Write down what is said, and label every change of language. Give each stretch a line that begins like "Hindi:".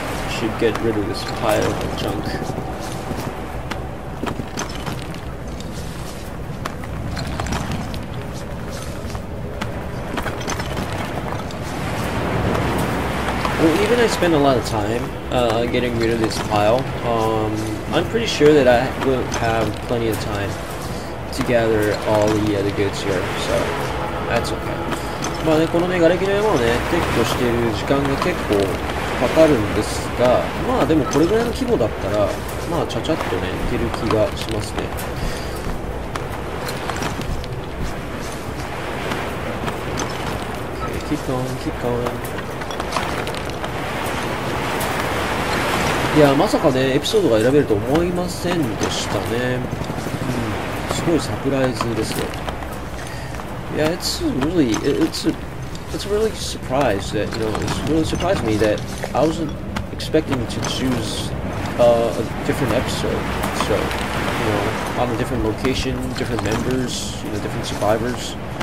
English: Should get rid of this pile of junk. Well, even I spend a lot of time getting rid of this pile, I'm pretty sure that I will have plenty of time to gather all the other goods here, so that's okay.
Japanese: まあね、このね、瓦礫の山をね、撤去している時間が結構かかるんですが、まあでもこれぐらいの規模だったら、まあちゃちゃっとね、いける気がしますね。
English: Keep going, keep going.
Japanese: いや、まさかね、エピソードが選べると思いませんでしたね。うん、すごいサプライズですよ。
English: Yeah, it's a really surprise that, you know, it's really surprised me that I wasn't expecting to choose a different episode. So, you know, on a different location, different members, you know, different survivors.